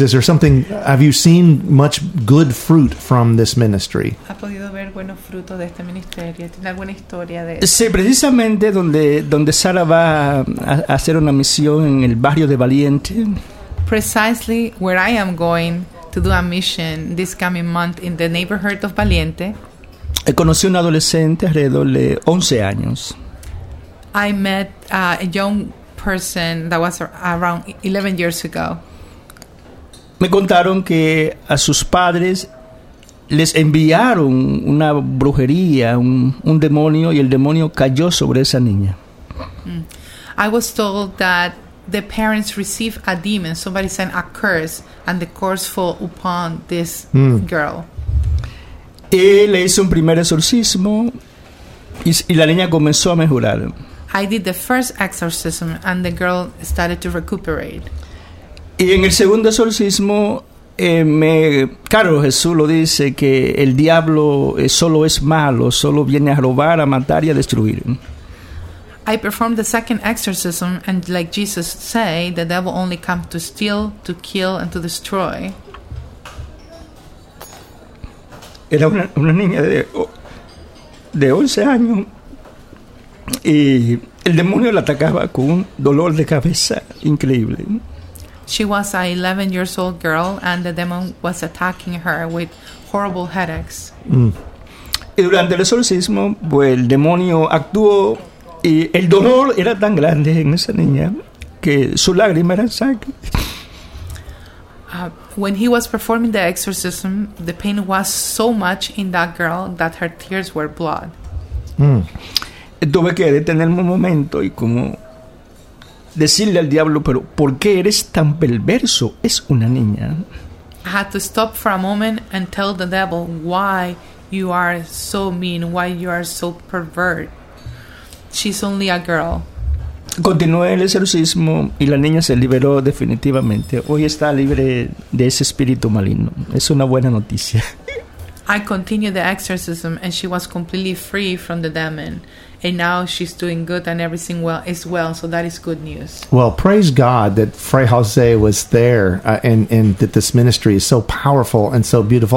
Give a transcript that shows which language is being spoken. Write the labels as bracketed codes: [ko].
[en] Is there something, have you seen much good fruit from this ministry? [es] ¿Ha podido ver buenos frutos de este ministerio? ¿Tiene alguna historia de eso? Sí, precisamente donde Sara va a hacer una misión en el barrio de Valiente. [en] Precisely where I am going to do a mission this coming month in the neighborhood of Valiente. [es] He conocido un adolescente alrededor de 11 años. [en] I met a young person that was around 11 years ago. [es] Me contaron que a sus padres les enviaron una brujería, un demonio, y el demonio cayó sobre esa niña. [en] I was told that the parents receive a demon. Somebody sent a curse, and the curse fall upon this girl. [es] Y le hizo un primer exorcismo, y la niña comenzó a mejorar. [en] I did the first exorcism, and the girl started to recuperate. [es] Y en el segundo exorcismo, Jesús lo dice, que el diablo solo es malo, solo viene a robar, a matar y a destruir. [en] I performed the second exorcism, and like Jesus say, the devil only comes to steal, to kill, and to destroy. [es] Era una niña de 11 años, y el demonio la atacaba con un dolor de cabeza increíble. [en] She was an 11 years old girl, and the demon was attacking her with horrible headaches. [es] Y durante el exorcismo, el demonio actuó. Y el dolor era tan grande en esa niña que su lágrima era sangre. [en] When he was performing the exorcism, the pain was so much in that girl that her tears were blood. [es] Tuve que detenerme un momento y como decirle al diablo, pero ¿por qué eres tan perverso? Es una niña. [en] I had to stop for a moment and tell the devil why you are so mean, why you are so pervert. She's only a girl. [es] Continué el exorcismo y la niña se liberó definitivamente. Hoy está libre de ese espíritu maligno. Es una buena noticia. [en] I continued the exorcism and she was completely free from the demon. And now she's doing good and everything well is well. So that is good news. Well, praise God that Fray Jose was there and that this ministry is so powerful and so beautiful.